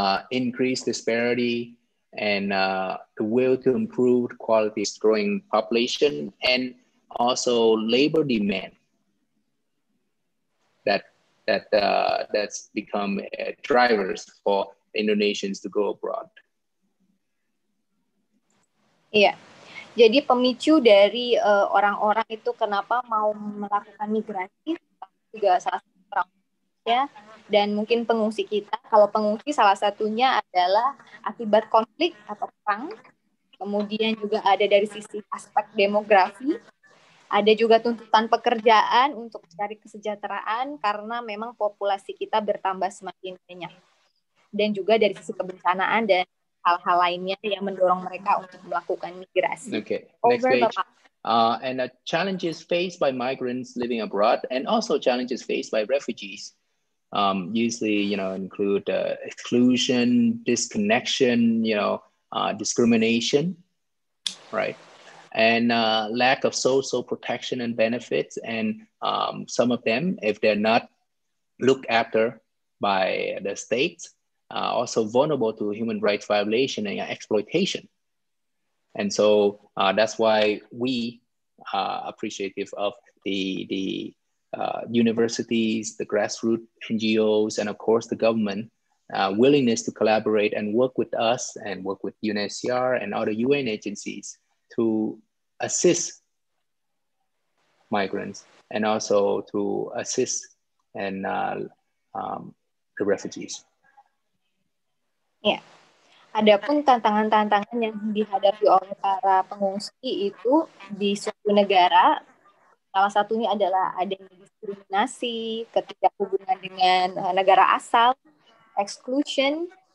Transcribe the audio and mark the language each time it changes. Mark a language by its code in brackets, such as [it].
[en] Increased disparity and the will to improve quality is growing population, and also labor demand that's become drivers for Indonesians to go abroad. Yeah. [id] Jadi pemicu dari orang-orang itu kenapa mau melakukan migrasi juga salah satu orang ya, dan mungkin pengungsi kita, kalau pengungsi salah satunya adalah akibat konflik atau perang. Kemudian juga ada dari sisi aspek demografi, ada juga tuntutan pekerjaan untuk mencari kesejahteraan karena memang populasi kita bertambah semakin banyak, dan juga dari sisi kebencanaan dan hal-hal lainnya yang mendorong mereka untuk melakukan migrasi. [en] Okay, next page. And the challenges faced by migrants living abroad, and also challenges faced by refugees, usually, include exclusion, disconnection, discrimination, right? And lack of social protection and benefits, and some of them, if they're not looked after by the state, also vulnerable to human rights violation and exploitation. And so that's why we are appreciative of the universities, the grassroots NGOs, and of course the government willingness to collaborate and work with us and work with UNHCR and other UN agencies to assist migrants and also to assist and the refugees. Yeah. [id] Adapun tantangan-tantangan yang dihadapi oleh para pengungsi itu di suatu negara, salah satunya adalah adanya diskriminasi, ketidakhubungan dengan negara asal, exclusion,